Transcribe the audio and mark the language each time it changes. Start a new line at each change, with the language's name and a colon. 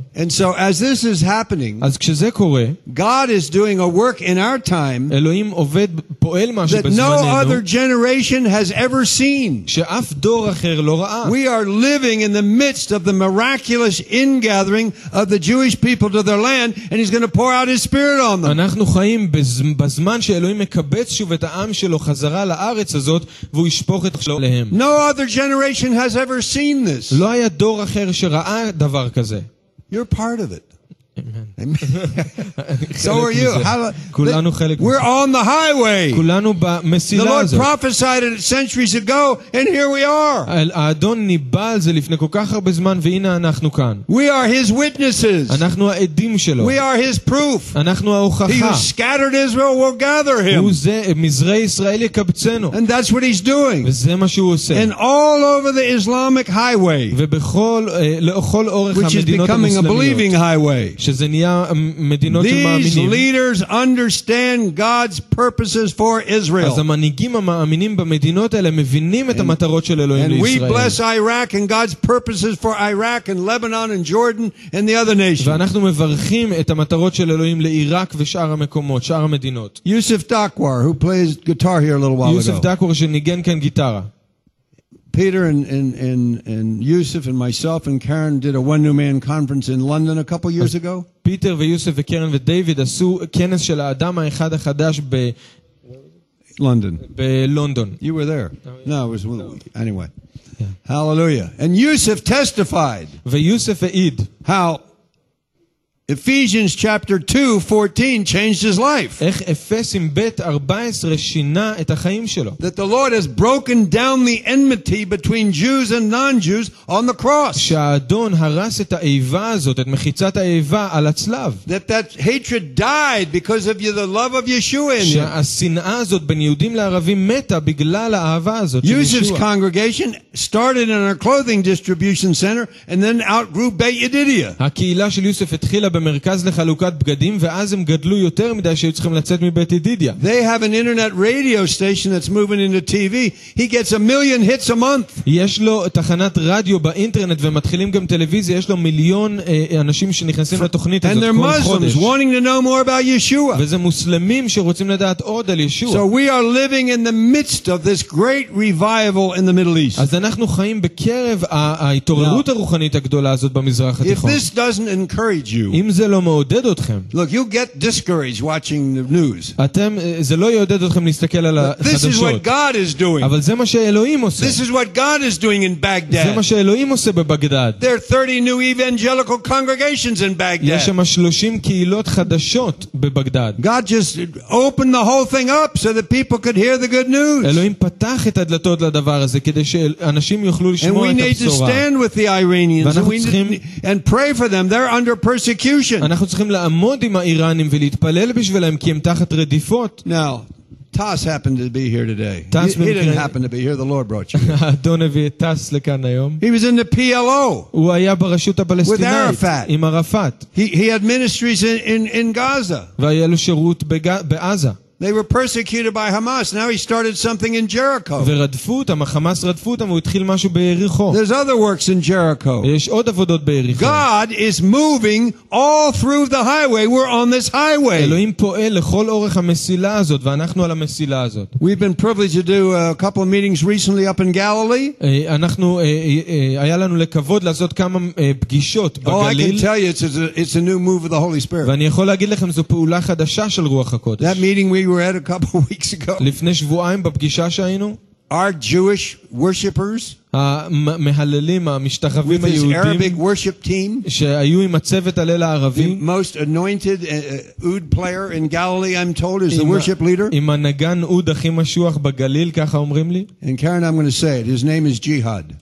English: and so as this is happening
Hebrew: אז כשזה קורה
English: God is doing a work in our time
Hebrew: אלוהים עובד פועל משהו בזמננו
English: that no other generation has ever seen
Hebrew: שאף דור אחר לא ראה
English: we are living in the midst of the miraculous ingathering of the Jewish people to their land and he's going to pour out his spirit on them
Hebrew: אנחנו חיים בזמן שאלוהים מקבץ שוב את העם שלו חזרה לארץ הזאת והוא ישפוך את חלו להם.
English: No other generation has ever seen this.
Hebrew: לא היה דור אחר שראה דבר כזה.
English: You're part of it. Amen. So are you.
Hebrew: כולנו חלק.
English: We're on the highway.
Hebrew: כולנו במסילה הזאת.
English: The Lord prophesied it centuries ago and here we are.
Hebrew: האדון ניבא על זה לפני כל כך הרבה זמן והנה אנחנו כאן.
English: We are his witnesses.
Hebrew: אנחנו העדים שלו.
English: We are his proof.
Hebrew: אנחנו ההוכחה.
English: He who scattered Israel will gather him.
Hebrew: הוא זה מזרעי ישראל יקבצנו.
English: And that's what he's doing.
Hebrew: וזה מה שהוא עושה.
English: And all over the Islamic highway.
Hebrew: ובכל לאכול אורך המדינות המוסלמיות.
English: Which is becoming a believing highway.
Hebrew: שזה נהיה מדינות של מאמינים.
English: These leaders understand God's purposes for Israel.
Hebrew: אז המנהיגים המאמינים במדינות האלה מבינים את המטרות של אלוהים לישראל.
English: And we bless Iraq and God's purposes for Iraq and Lebanon and Jordan and the other nations.
Hebrew: ואנחנו מברכים את המטרות של אלוהים לעיראק ושאר המקומות, שאר המדינות.
English: Yusuf Dakwar, who plays guitar here a little while ago.
Hebrew: יוסף דקוור שניגן כאן גיטרה.
English: Peter and Yusuf and myself and Karen did a one new man conference in London a couple years ago.
Hebrew: Peter and Yusuf and Karen and David עשו כנס של האדם האחד החדש ב
English: London.
Hebrew: בלונדון.
English: You were there. No, it was anyway. Yeah. Hallelujah. And Yusuf testified.
Hebrew: ויוסף העיד.
English: How Ephesians chapter 2:14 changed his life.
Hebrew: איך אפסים ב' 14 שינה את החיים שלו.
English: That the Lord has broken down the enmity between Jews and non-Jews on the cross.
Hebrew: שהאדון הרס את האיבה הזאת, את מחיצת האיבה על הצלב.
English: That hatred died because of the love of Yeshua in him.
Hebrew: שהשנאה הזאת בין יהודים לערבים מתה בגלל האהבה הזאת של ישוע.
English: Yusuf's congregation started in a clothing distribution center and then outgrew Beit Yedidiah.
Hebrew: הקהילה של יוסף התחילה במרכז לחלוקת בגדים ואז הם גדלו יותר מדי שהיו צריכים לצאת מבית ידידיה.
English: They have an internet radio station that's moving into TV. He gets a million hits a month.
Hebrew: יש לו תחנת רדיו באינטרנט ומתחילים גם טלוויזיה. יש לו מיליון אנשים שנכנסים לתוכנית הזאת.
English: And they're Muslims wanting to know more about Yeshua.
Hebrew: וזה מוסלמים שרוצים לדעת עוד על ישוע.
English: So we are living in the midst of this great revival in the Middle East.
Hebrew: אז אנחנו חיים בקרב ההתעוררות הרוחנית הגדולה הזאת במזרח התיכון.
English: If this doesn't encourage you,
Hebrew: האם זה לא מעודד אתכם?
English: Look, you get discouraged watching the news.
Hebrew: אתם, זה לא יעודד אתכם להסתכל על החדשות.
English: This is what God is doing.
Hebrew: אבל זה מה שאלוהים עושה.
English: This is what God is doing in Baghdad.
Hebrew: זה מה שאלוהים עושה בבגדד.
English: There are 30 new evangelical congregations in Baghdad.
Hebrew: יש שם 30 קהילות חדשות בבגדד.
English: God just opened the whole thing up so that people could hear the good news.
Hebrew: אלוהים פתח את הדלתות לדבר הזה כדי שאנשים יוכלו לשמוע את הבשורה.
English: And we need to stand with the Iranians. And pray for them. They're under persecution.
Hebrew: אנחנו צריכים לעמוד עם האיראנים ולהתפלל בשבילם כי הם תחת רדיפות.
English: Now, Tas happened to be here today. He didn't happen to be here. The Lord brought you. Don't have you Tas
Hebrew: לכאן היום.
English: He was in the PLO.
Hebrew: הוא היה ברשות הפלסטינית. עם ערפאת.
English: He had ministries in Gaza.
Hebrew: והיה לו שירות בעזה.
English: They were persecuted by Hamas. Now he started something in Jericho.
Hebrew: ורדפו אותם, החמאס רדפו אותם, והוא התחיל משהו ביריחו.
English: There's other works in Jericho.
Hebrew: יש עוד עבודות ביריחו.
English: God is moving all through the highway. We're on this highway.
Hebrew: אלוהים פועל לכל אורך המסילה הזאת, ואנחנו על המסילה הזאת.
English: We've been privileged to do a couple of meetings recently up in Galilee.
Hebrew: אנחנו, היה לנו לכבוד לעשות כמה פגישות בגליל.
English: Oh, I can tell you, it's a new move of the Holy Spirit.
Hebrew: ואני יכול להגיד לכם, זו פעולה חדשה של רוח הקודש.
English: That meeting we were at a couple of weeks ago.
Hebrew: לפני שבועיים בפגישה שהיינו.
English: Our Jewish worshippers.
Hebrew: המהללים, המשתחווים היהודים.
English: With this Arabic worship team.
Hebrew: שהיו עם הצוות הלל הערבי.
English: The most anointed oud player in Galilee, I'm told, is the worship leader.
Hebrew: עם הנגן עוד הכי משוח בגליל, ככה אומרים לי.
English: And Karen, I'm going to say it. His name is Jihad.